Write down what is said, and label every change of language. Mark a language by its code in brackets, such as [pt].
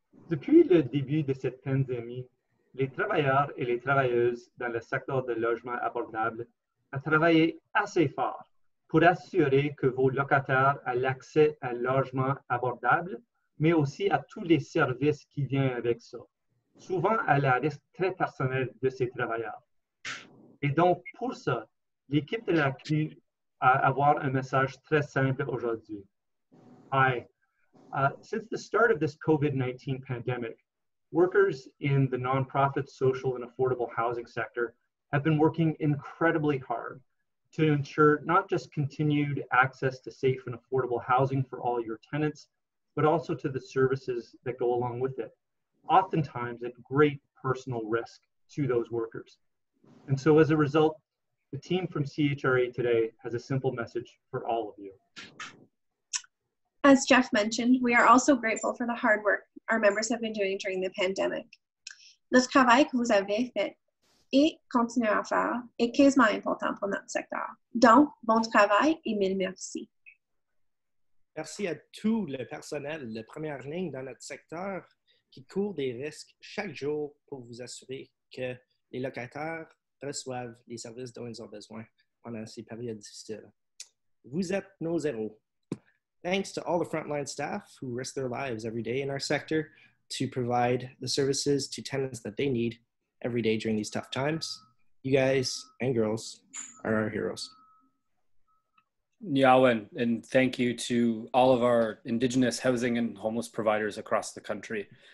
[fr] Depuis le début de cette pandémie, les travailleurs et les travailleuses dans le secteur de logement abordable ont travaillé assez fort pour assurer que vos locataires aient l'accès à un logement abordable, mais aussi à tous les services qui viennent avec ça, souvent à la risque très personnelle de ces travailleurs. Et donc, pour ça, l'équipe de la CNU a avoir un message très simple aujourd'hui. [en] Hi. Since the start of this COVID-19 pandemic, workers in the nonprofit, social, and affordable housing sector have been working incredibly hard to ensure not just continued access to safe and affordable housing for all your tenants, but also to the services that go along with it, oftentimes at great personal risk to those workers. And so as a result, the team from CHRA today has a simple message for all of you. As Jeff mentioned, we are also grateful for the hard work our members have been doing during the pandemic. [fr] Le travail que vous avez fait et continuez à faire est quasiment important pour notre secteur. Donc, bon travail et mille merci. Merci à tout le personnel de première ligne dans notre secteur qui court des risques chaque jour pour vous assurer que les locataires reçoivent les services dont ils ont besoin pendant ces périodes difficiles. Vous êtes nos héros. [en] Thanks to all the frontline staff who risk their lives every day in our sector to provide the services to tenants that they need every day during these tough times. You guys and girls are our heroes. Nyawen, and thank you to all of our Indigenous housing and homeless providers across the country.